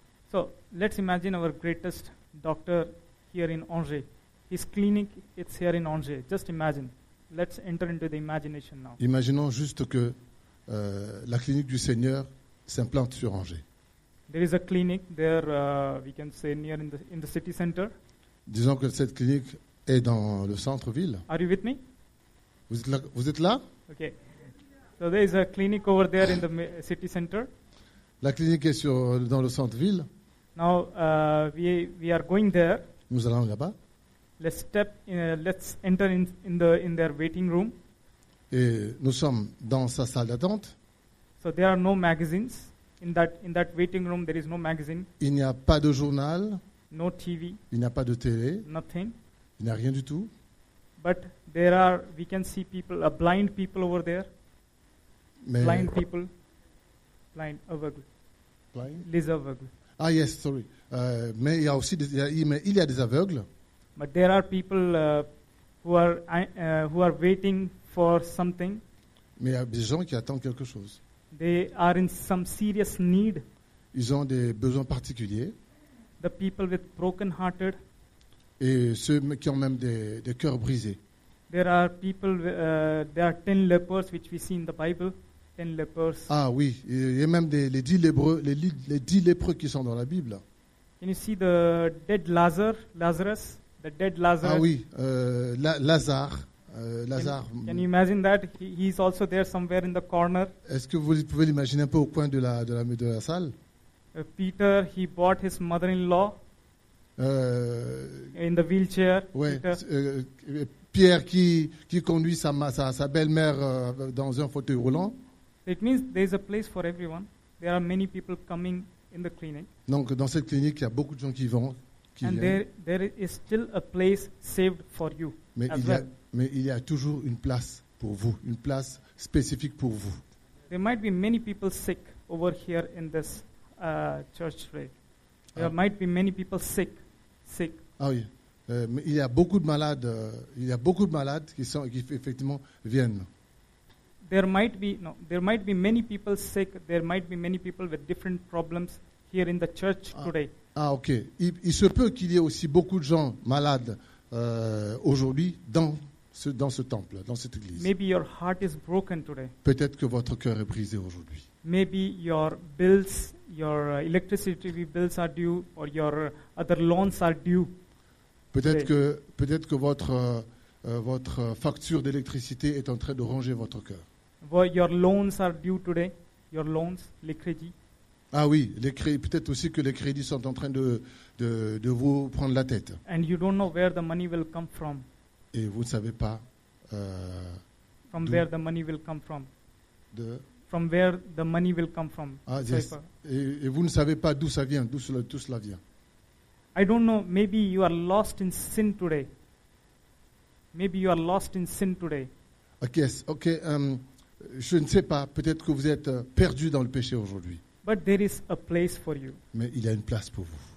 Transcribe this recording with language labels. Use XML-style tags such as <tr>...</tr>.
<en>So, let's imagine our greatest doctor here in Angers. His clinic is here in Angers. Just imagine. Let's enter into the imagination now.</en> <fr>Imaginons juste que la clinique du Seigneur s'implante sur Angers.</fr> <en>There is a clinic there, we can say, near in the city center.</en> <fr>Disons que cette clinique est dans le centre-ville.</fr> <en>Are you with me?</en> <fr>Vous êtes là?</fr> <en>Okay. So there is a clinic over there in the city center.</en> <fr>La clinique est dans le centre-ville.</fr> <en>Now we are going there.</en> <fr>Nous allons là-bas.</fr> <en>Let's enter in their waiting room.</en> <fr>Et nous sommes dans sa salle d'attente.</fr> <en>So there are no magazines in that waiting room. There is no magazine.</en> <fr>Il n'y a pas de journal.</fr> <en>No TV.</en> <fr>Il n'y a pas de télé.</fr> <en>Nothing.</en> <fr>Il n'y a rien du tout.</fr> <en>But we can see people, blind people over there.</en> <fr>Mais</fr> <en>blind people, blind, aveugle, blind?</en> <fr>Les aveugles.</fr> <en>Ah yes, sorry.</en> <fr>Mais il y a aussi, il y a des aveugles.</fr> <en>But there are people who are waiting for something.</en> <fr>Mais il y a des gens qui attendent quelque chose.</fr> <en>They are in some serious need.</en> <fr>Ils ont des besoins particuliers.</fr> <en>The people with broken hearted.</en> <fr>Et ceux qui ont même des cœurs brisés.</fr> <en>There are people. There are 10 lepers which we see in the Bible. 10 lepers.</en> <fr>Ah oui, il y a même les dix lépreux qui sont dans la Bible.</fr> <en>Can you see the dead Lazarus? The dead Lazarus.</en> <fr>Ah oui, Lazare.</fr> <en>Can you imagine that he's also there somewhere in the corner?</en> <fr>Est-ce que vous pouvez l'imaginer un peu au coin de la salle?</fr> <en>Peter, he brought his mother-in-law in the wheelchair.</en> <fr>Ouais, Pierre qui conduit sa belle-mère dans un fauteuil roulant.</fr> <en>It means there is a place for everyone. There are many people coming in the clinic.</en> <fr>Donc dans cette clinique, il y a beaucoup de gens qui viennent.</fr> <en>And there is still a place saved for you.</en> <fr>Mais il y a toujours une place pour vous, une place spécifique pour vous.</fr> <en>There might be many people sick over here in this church today. There might be many people sick.</en> <fr>Ah oui. Mais il y a beaucoup de malades. Il y a beaucoup de malades qui effectivement viennent.</fr> <en>There might be many people sick. There might be many people with different problems here in the church today. Ah ok.</en> <fr>Il se peut qu'il y ait aussi beaucoup de gens malades aujourd'hui dans ce temple, dans cette église.</fr> <en>Maybe your heart is broken today.</en> <fr>Peut-être que votre cœur est brisé aujourd'hui.</fr> <en>Maybe your bills, your electricity bills are due, or your other loans are due.</en> <fr>Peut-être que votre facture d'électricité est en train de ronger votre cœur.</fr> <en>Well, your loans are due today. Your loans,</en> <fr>les crédits. Ah oui, peut-être aussi que les crédits sont en train de vous prendre la tête.</fr> <en>And you don't know where the money will come from.</en> <fr>Et vous ne savez pas</fr> <en>from where the money will come from.</en> <fr>de</fr> <en>from where the money will come from. Ah, yes.</en> <fr>So et vous ne savez pas d'où ça vient, d'où cela, tout cela vient.</fr> <en>I don't know, maybe you are lost in sin today. Maybe you are lost in sin today. Okay, yes, okay.</en> <fr>Je ne sais pas, peut-être que vous êtes perdu dans le péché aujourd'hui.</fr> <en>But there is a place for you.</en> <fr>Mais il y a une place pour vous.</fr>